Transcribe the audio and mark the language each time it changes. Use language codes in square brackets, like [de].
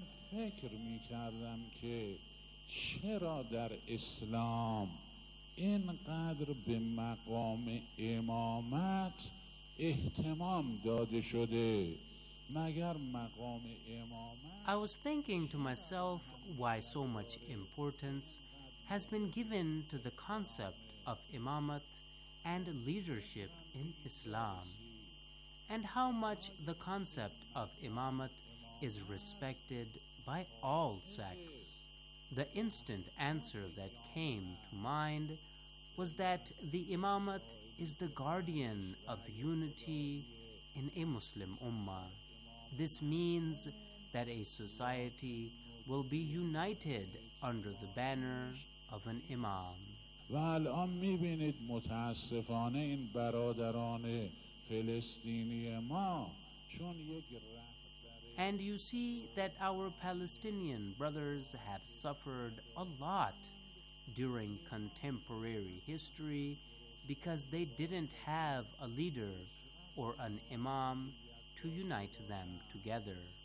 [fa] فکر می کردم که چرا در اسلام اینقدر به مقام امامت اهتمام داده شده مگر مقام امامت [en] I was thinking to myself why so much importance has been given to the concept of imamat and leadership in Islam and how much the concept of imamat is respected by all sects. The instant answer that came to mind was that the imamat is the guardian of unity in a Muslim ummah. This means that a society will be united under the banner of an imam. [fa] Well, الان می‌بینید متأسفانه این برادران فلسطینی ما چون یک [en] And you see that our Palestinian brothers have suffered a lot during contemporary history because they didn't have a leader or an imam to unite them together.